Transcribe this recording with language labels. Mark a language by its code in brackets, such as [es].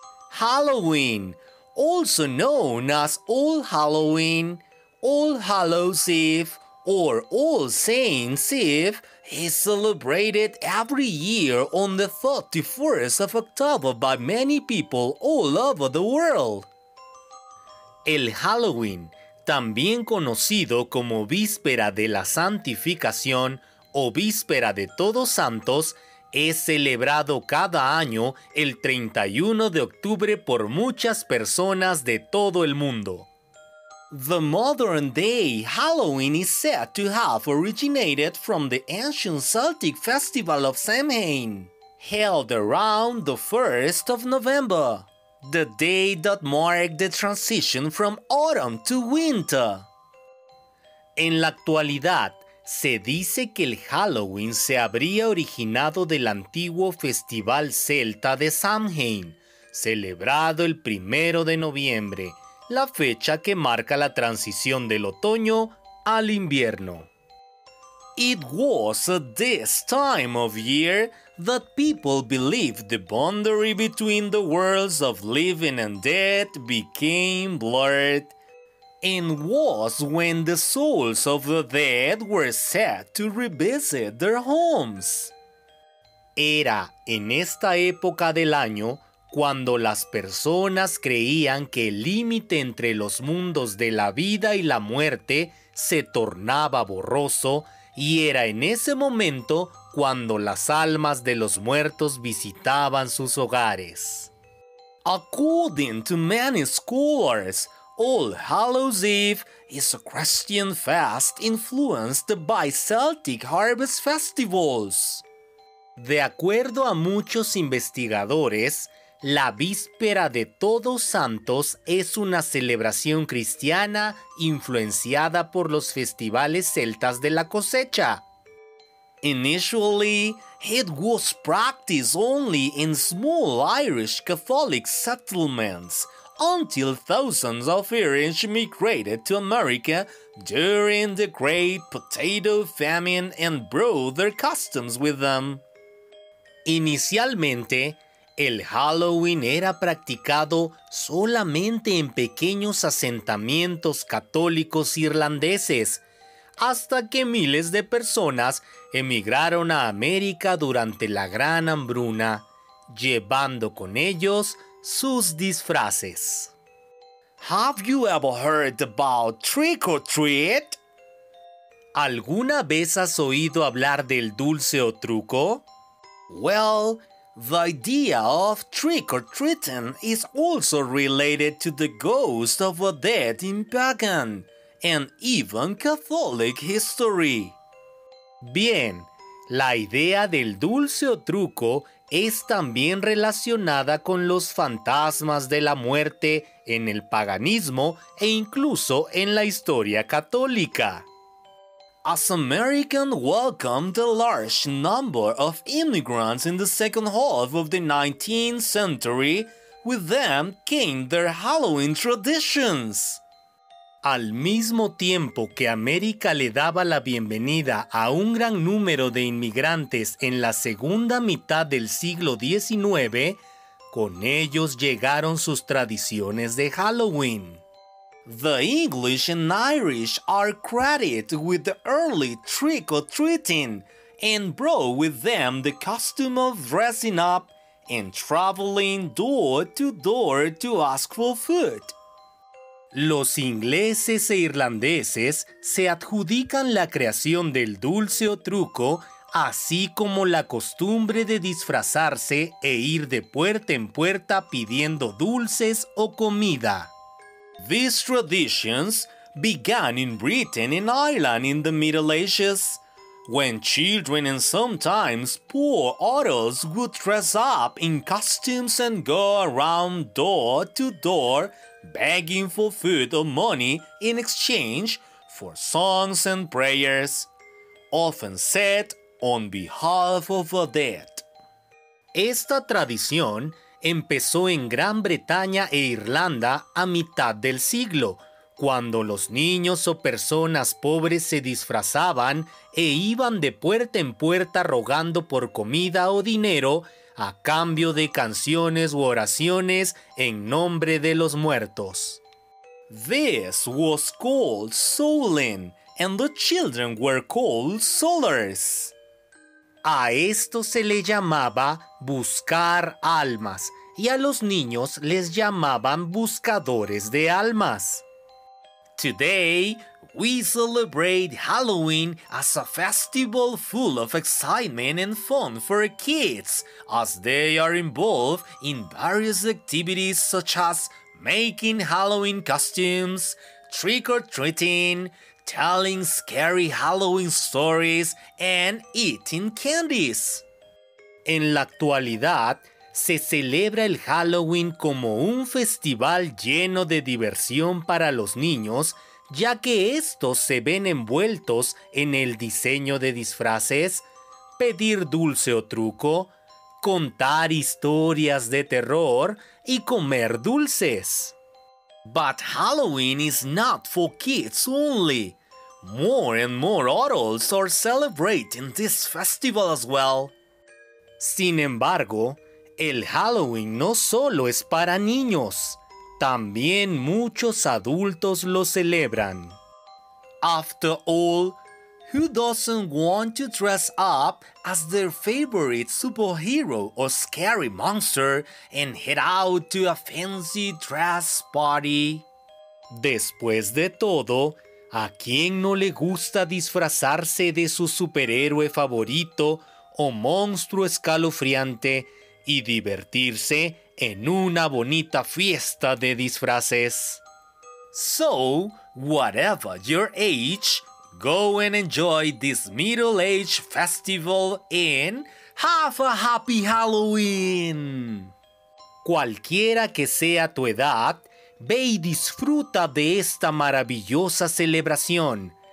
[en] Halloween, also known as All Halloween, All Hallows Eve, or All Saints Eve, is celebrated every year on the 31st of October by many people all over the world. [es] El Halloween, también conocido como Víspera de la Santificación o Víspera de Todos Santos, es celebrado cada año el 31 de octubre por muchas personas de todo el mundo. [en] The modern day Halloween is said to have originated from the ancient Celtic festival of Samhain, held around the 1st of November, the day that marked the transition from autumn to winter. [es] En la actualidad, se dice que el Halloween se habría originado del antiguo festival celta de Samhain, celebrado el 1 de noviembre, la fecha que marca la transición del otoño al invierno. [en] It was at this time of year that people believed the boundary between the worlds of living and dead became blurred, and was when the souls of the dead were said to revisit their homes. [es] Era en esta época del año cuando las personas creían que el límite entre los mundos de la vida y la muerte se tornaba borroso, y era en ese momento cuando las almas de los muertos visitaban sus hogares. [en] According to many scholars, All Hallows Eve is a Christian fast influenced by Celtic harvest festivals. [es] De acuerdo a muchos investigadores, la Víspera de Todos Santos es una celebración cristiana influenciada por los festivales celtas de la cosecha. [en] Initially, it was practiced only in small Irish Catholic settlements until thousands of Irish migrated to America during the Great Potato Famine and brought their customs with them. [es] Inicialmente, el Halloween era practicado solamente en pequeños asentamientos católicos irlandeses, hasta que miles de personas emigraron a América durante la Gran Hambruna, llevando con ellos sus disfraces. [en] Have you ever heard about trick or treat? [es] ¿Alguna vez has oído hablar del dulce o truco? [en] Well, the idea of trick-or-treating is also related to the ghost of a dead in pagan and even Catholic history. [es] Bien, la idea del dulce o truco es también relacionada con los fantasmas de la muerte en el paganismo e incluso en la historia católica. [en] As Americans welcomed a large number of immigrants in the second half of the 19th century, with them came their Halloween traditions. [es] Al mismo tiempo que América le daba la bienvenida a un gran número de inmigrantes en la segunda mitad del siglo XIX, con ellos llegaron sus tradiciones de Halloween. [en] The English and Irish are credited with the early trick-or-treating and brought with them the custom of dressing up and traveling door-to-door to ask for food. [es] Los ingleses e irlandeses se adjudican la creación del dulce o truco, así como la costumbre de disfrazarse e ir de puerta en puerta pidiendo dulces o comida. [en] These traditions began in Britain and Ireland in the Middle Ages, when children and sometimes poor adults would dress up in costumes and go around door to door begging for food or money in exchange for songs and prayers, often said on behalf of the dead. [es] Esta tradición empezó en Gran Bretaña e Irlanda a mitad del siglo, cuando los niños o personas pobres se disfrazaban e iban de puerta en puerta rogando por comida o dinero a cambio de canciones u oraciones en nombre de los muertos. [en] This was called souling, and the children were called soulers. [es] A esto se le llamaba buscar almas, y a los niños les llamaban buscadores de almas. [en] Today, we celebrate Halloween as a festival full of excitement and fun for kids, as they are involved in various activities such as making Halloween costumes, trick-or-treating, telling scary Halloween stories, and eating candies. [es] En la actualidad, se celebra el Halloween como un festival lleno de diversión para los niños, ya que estos se ven envueltos en el diseño de disfraces, pedir dulce o truco, contar historias de terror y comer dulces. [en] But Halloween is not for kids only. More and more adults are celebrating this festival as well. [es] Sin embargo, el Halloween no solo es para niños, también muchos adultos lo celebran. [en] After all, who doesn't want to dress up as their favorite superhero or scary monster and head out to a fancy dress party? [es] Después de todo, ¿a quién no le gusta disfrazarse de su superhéroe favorito o monstruo escalofriante y divertirse en una bonita fiesta de disfraces? [en] So, whatever your age, go and enjoy this middle-aged festival and have a happy Halloween! [es] Cualquiera que sea tu edad, ve y disfruta de esta maravillosa celebración.